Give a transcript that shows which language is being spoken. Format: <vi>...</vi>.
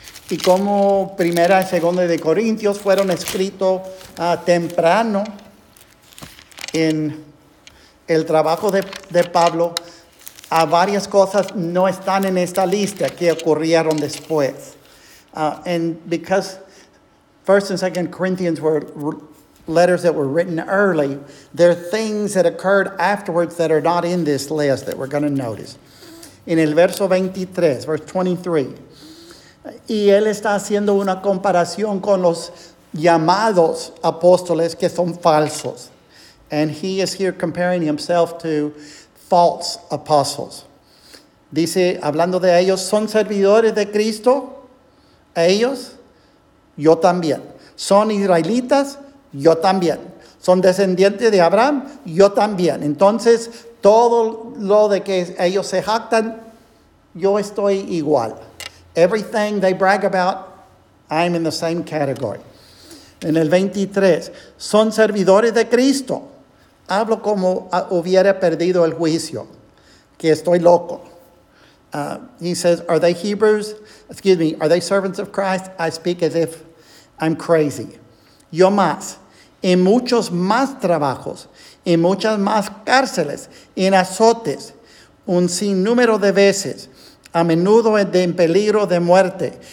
<es>Y como primera y segunda de Corintios fueron escritos temprano en el trabajo de Pablo, a varias cosas no están en esta lista que ocurrieron después.</es> <en>And because 1 and 2 Corinthians were letters that were written early, there are things that occurred afterwards that are not in this list that we're going to notice.</en> <es>En el verso 23,</es> <en>verse 23.</en> <es>Y él está haciendo una comparación con los llamados apóstoles que son falsos.</es> <en>And he is here comparing himself to false apostles.</en> <es>Dice, hablando de ellos, ¿son servidores de Cristo? ¿Ellos? Yo también. ¿Son israelitas? Yo también. ¿Son descendientes de Abraham? Yo también. Entonces, todo lo de que ellos se jactan, yo estoy igual.</es> <en>Everything they brag about, I'm in the same category.</en> <es>En el 23, son servidores de Cristo. Hablo como hubiera perdido el juicio, que estoy loco.</es> <en>He says, are they Hebrews? Excuse me, are they servants of Christ? I speak as if I'm crazy.</en> <es>Yo más, en muchos más trabajos, en muchas más cárceles, en azotes, un sinnúmero de veces, a menudo en peligro de muerte.</es>